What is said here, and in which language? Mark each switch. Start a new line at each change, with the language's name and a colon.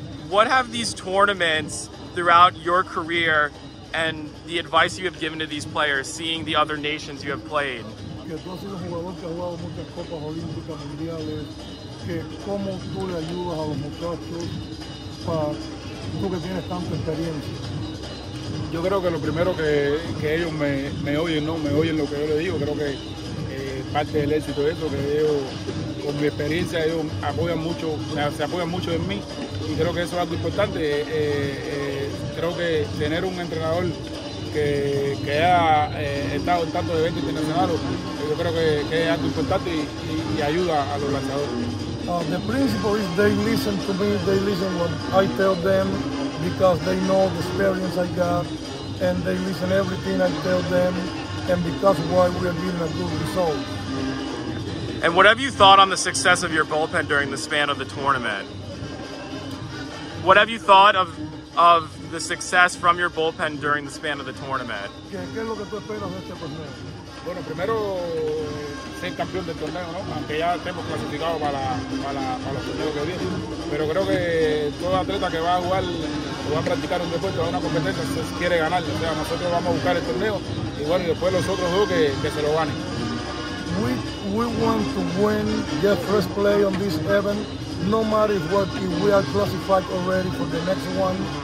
English: What have these tournaments throughout your career and the advice you have given to these players, seeing the other nations you have played?
Spanish: Que tú has sido un jugador que ha jugado muchas copas olímpicas mundiales, que cómo tú le ayudas a los muchachos para tú que tienes tanta experiencia. Yo creo que lo primero que ellos me oyen, ¿no? Me oyen lo que yo les digo, creo que parte del éxito de eso, que ellos, con mi experiencia, ellos apoyan mucho, se apoyan mucho en mí, y creo que eso es algo importante. Creo que tener un entrenador que haya estado en tantos eventos internacionales, yo creo que es algo importante y ayuda a los lanzadores.
English: The principle is they listen to me, they listen what I tell them, because they know the experience I got, and they listen everything I tell them, and because why we are getting a good result. And what have you thought on the success of your bullpen during the span of the tournament? What have you thought of the success from your bullpen during the span of the tournament?
Spanish: ¿Qué es lo que tú esperas de este torneo? Bueno, primero ser campeón del torneo, ¿no? Aunque ya estemos clasificados para los torneos que vienen. Pero creo que todo atleta que va a jugar o va a practicar un deporte o una competencia se quiere ganar. O sea, nosotros vamos a buscar el torneo y bueno, y después los otros dos que se lo ganen.
English: We want to win the first play on this event, no matter what, if we are classified already for the next one.